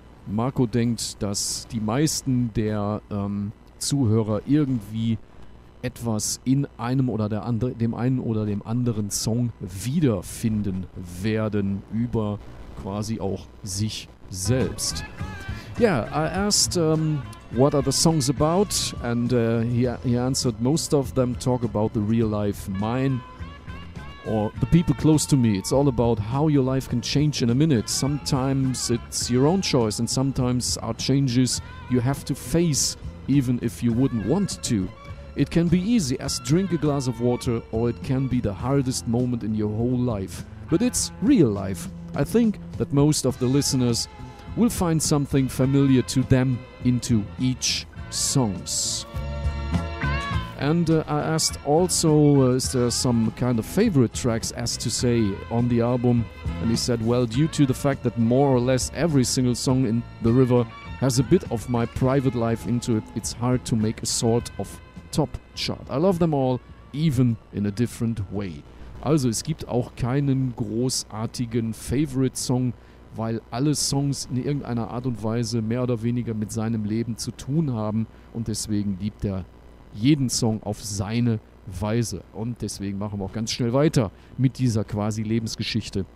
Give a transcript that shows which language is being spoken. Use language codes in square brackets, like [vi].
[de] Marco denkt, dass die meisten der Zuhörer irgendwie etwas in einem oder der andere, dem einen oder dem anderen Song wiederfinden werden über quasi auch sich selbst. [en] Yeah, I asked what are the songs about, and he answered most of them talk about the real life, mine or the people close to me. It's all about how your life can change in a minute. Sometimes it's your own choice and sometimes are changes you have to face even if you wouldn't want to. It can be easy as drink a glass of water, or it can be the hardest moment in your whole life. But it's real life. I think that most of the listeners will find something familiar to them into each songs. And I asked also, is there some kind of favorite tracks, as to say, on the album? And he said, well, due to the fact that more or less every single song in The River has a bit of my private life into it, it's hard to make a sort of top chart. I love them all, even in a different way. [de] Also, es gibt auch keinen großartigen [en] Favorite Song, [de] weil alle Songs in irgendeiner Art und Weise mehr oder weniger mit seinem Leben zu tun haben, und deswegen liebt er jeden Song auf seine Weise. Und deswegen machen wir auch ganz schnell weiter mit dieser quasi Lebensgeschichte.